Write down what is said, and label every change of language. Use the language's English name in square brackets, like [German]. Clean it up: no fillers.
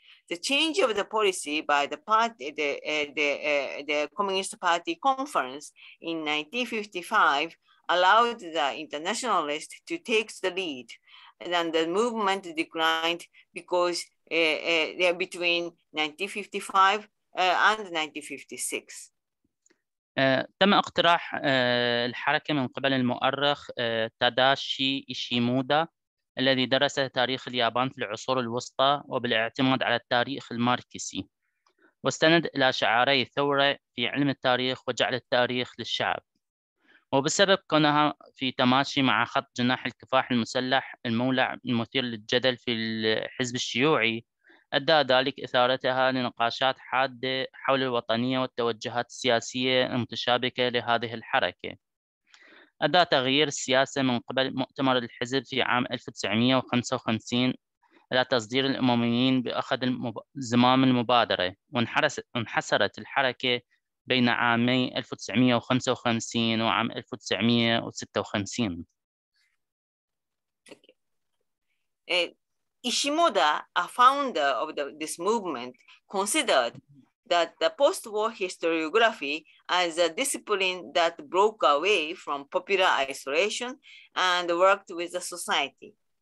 [English] The change of the policy by the party, the Communist Party conference in 1955 allowed the internationalists to take the lead, and the movement declined because they're between 1955 and 1956. [Arabic] تم اقتراح الحركة من قبل المؤرخ تاداشي إيشيمودا الذي درس تاريخ اليابان في العصور الوسطى وبالاعتماد على التاريخ الماركسي واستند إلى شعاري الثورة في علم التاريخ وجعل التاريخ للشعب وبسبب كونها في تماشي مع خط جناح الكفاح المسلح المولع المثير للجدل في الحزب الشيوعي أدى ذلك إثارتها لنقاشات حادة حول الوطنية والتوجهات السياسية المتشابكة لهذه الحركة. أدى تغيير السياسة من قبل مؤتمر الحزب في عام 1955 إلى تصدير الأمميين بأخذ زمام المبادرة وانحسرت الحركة بين عامي 1955 وعام 1956. [English] Ishimoda, a founder of this movement, considered that the post-war historiography as a discipline that broke away from popular isolation and worked with the society.